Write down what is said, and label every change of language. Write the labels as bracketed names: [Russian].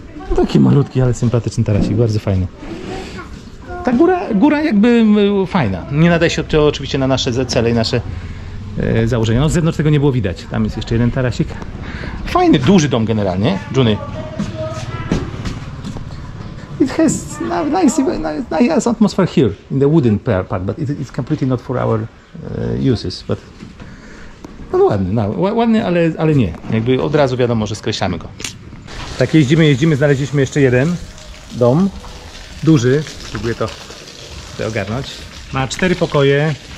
[Polish] No taki malutki, ale sympatyczny tarasik. Bardzo fajny. Ta góra jakby fajna. Nie nadaje się to oczywiście na nasze cele i nasze założenia. No z zewnątrz tego nie było widać. Tam jest jeszcze jeden tarasik. Fajny, duży dom generalnie, Juny. [English] has nice, nice atmosphere here in the wooden part, but it's completely not for our uses. [Polish] But no, ładny, no, ładny, ale, ale nie. Jakby od razu wiadomo, że skreślamy go. Tak jeździmy, jeździmy, znaleźliśmy jeszcze jeden dom. Duży, spróbuję to tutaj ogarnąć. Ma 4 pokoje.